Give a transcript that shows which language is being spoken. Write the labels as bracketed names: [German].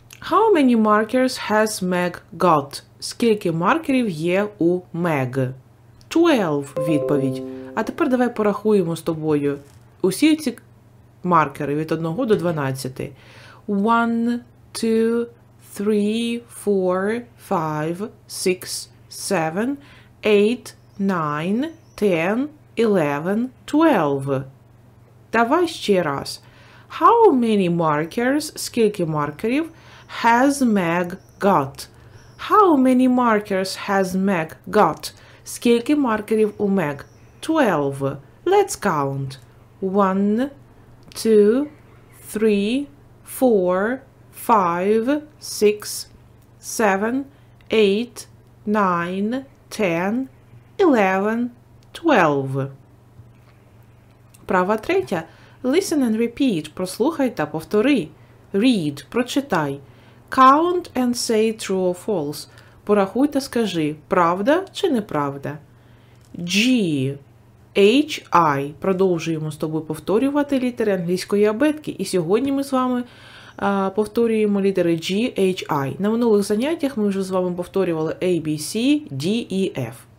[English] How many markers has Meg got? [Ukrainian] Скільки маркерів є у Meg? 12 – відповідь. А тепер давай порахуємо з тобою усі ці маркери від 1 до 12. [English] 1, 2, 3, 4, 5, 6, 7, 8, 9, 10, 11, 12. [Ukrainian] Давай ще раз. [English] How many markers – [Ukrainian] скільки маркерів [English] – has Meg got? How many markers has Meg got? [Ukrainian] Скільки маркерів у Meg? [English] 12. Let's count. 1, 2, 3, 4, 5, 6, 7, 8, 9, 10, 11, 12. [Ukrainian] Права третя. [English] Listen and repeat. [Ukrainian] Прослухай та повтори. [English] Read. [Ukrainian] Прочитай. [English] Count and say true or false. [Ukrainian] Порахуй та скажи, правда чи неправда. [English] G, H, I. [Ukrainian] Продовжуємо з тобою повторювати літери англійської абетки. І сьогодні ми з вами повторюємо літери G, H, I. На минулих заняттях ми вже з вами повторювали A, B, C, D, E, F.